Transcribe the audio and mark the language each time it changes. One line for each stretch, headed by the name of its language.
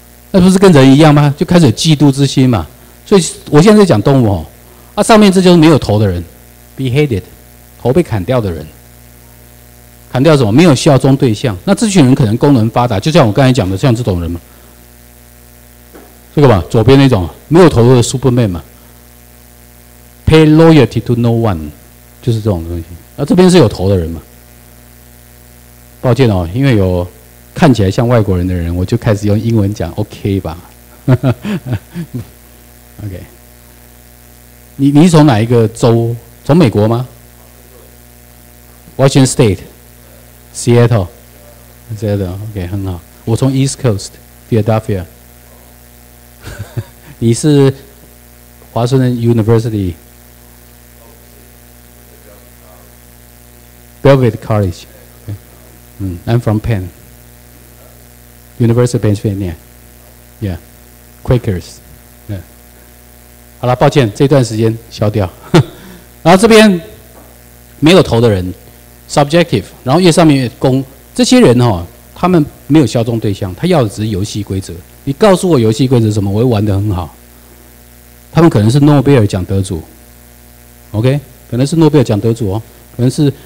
Chinese: 那不是跟人一样吗？就开始有嫉妒之心嘛。所以我现在在讲动物哦，啊，上面这就是没有头的人 ，beheaded， 头被砍掉的人，砍掉什么？没有效忠对象。那这群人可能功能发达，就像我刚才讲的，像这种人嘛，这个吧，左边那种没有头的 Superman 嘛，
English: pay loyalty to no one，
Chinese: 就是这种东西。那这边是有头的人嘛？抱歉哦，因为有看起来像外国人的人，我就开始用英文讲 ，OK 吧？OK， 你是从哪一个州？从美国吗 ？Washington State， Seattle， Seattle， OK， 很好。我从 East Coast， Philadelphia 。你是华盛顿 University。
English: Velvet College， I'm from Penn， University of Pennsylvania， yeah， Quakers， yeah，
Chinese: 好了，抱歉，这段时间消掉。然后这边没有头的人 ，subjective， 然后页上面公这些人哦，他们没有效忠对象，他要的只是游戏规则。你告诉我游戏规则什么，我会玩得很好。他们可能是诺贝尔奖得主 ，OK， 可能是诺贝尔奖得主哦，可能是。